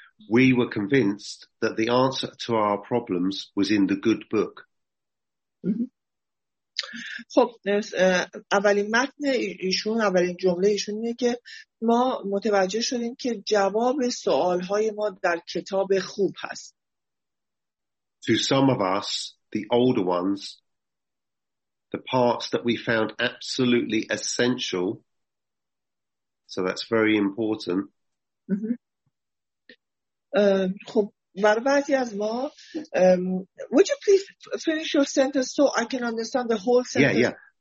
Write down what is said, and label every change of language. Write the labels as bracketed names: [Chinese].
[English] We were convinced that the answer to our problems was in the good book. [Persian] خب اولین متن ایشون، اولین جمله ایشون اینه که ما متوجه شدیم که جواب سوالهای ما در کتاب خوب هست. [English] To some of us, the older ones, the parts that we found absolutely essential, so that's very important. [Persian] خب برای بعضی از ما [English] would you please finish your sentence so I can understand the whole sentence?